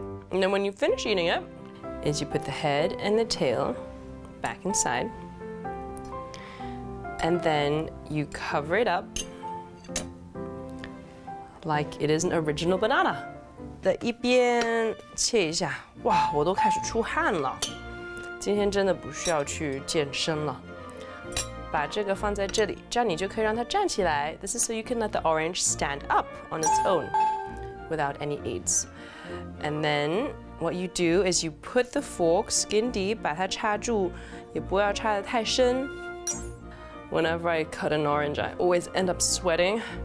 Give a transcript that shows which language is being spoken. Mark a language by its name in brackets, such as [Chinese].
[English] And then when you finish eating it, is you put the head and the tail back inside. And then you cover it up like it is an original banana. [Chinese] 的一边切一下，哇，我都开始出汗了。今天真的不需要去健身了。把这个放在这里，这样你就可以让它站起来。 [English] This is so you can let the orange stand up on its own without any aids. And then what you do is you put the fork skin deep, [Chinese] 把它插住，也不要插得太深。 [English] Whenever I cut an orange, I always end up sweating.